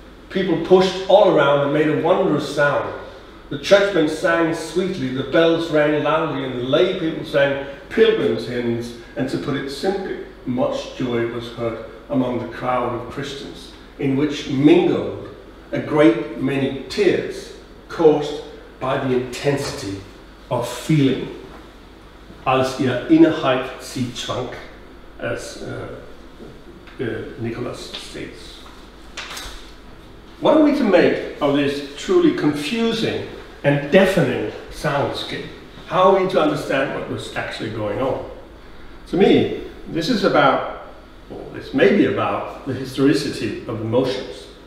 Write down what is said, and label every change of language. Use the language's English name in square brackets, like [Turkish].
[English] People pushed all around and made a wondrous sound. The churchmen sang sweetly, the bells rang loudly, and the lay people sang pilgrims' hymns. And to put it simply, much joy was heard among the crowd of Christians, in which mingled a great many tears caused by the intensity of feeling. [German] Als ihr Innerheit sie trank, [English] as Nicholas states. What are we to make of this truly confusing and deafening soundscape? How are we to understand what was actually going on? To me, this is about, or this may be about, the historicity of emotions.